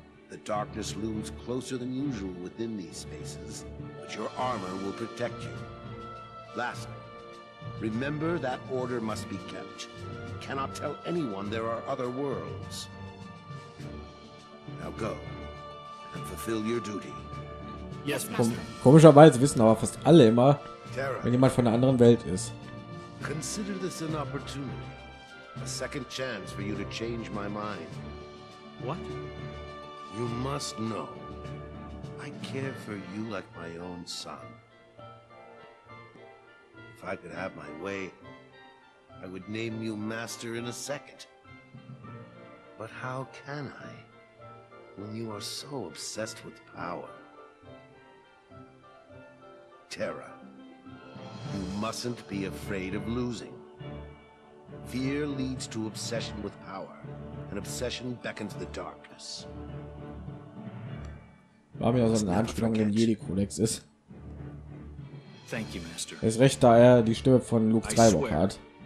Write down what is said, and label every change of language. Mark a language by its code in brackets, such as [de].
[en] The darkness looms closer than usual within these spaces, but your armor will protect you. Lastly, remember that order must be kept. You cannot tell anyone there are other worlds. Now go and fulfill your duty. Yes, [de] komischerweise wissen aber fast alle immer, wenn jemand von einer anderen Welt ist. [en] Consider this an opportunity. A second chance for you to change my mind. What? You must know. I care for you like my own son. If I could have my way, I would name you master in a second. But how can I, when you are so obsessed with power? Terra, you mustn't be afraid of losing. Fear leads to obsession with power, and obsession beckons the darkness. [de] War mir also eine Anspielung im Jedi-Kodex ist. [en] Thank you, Master. [de] Er ist recht, da er die Stimme von Luke Skywalker hat.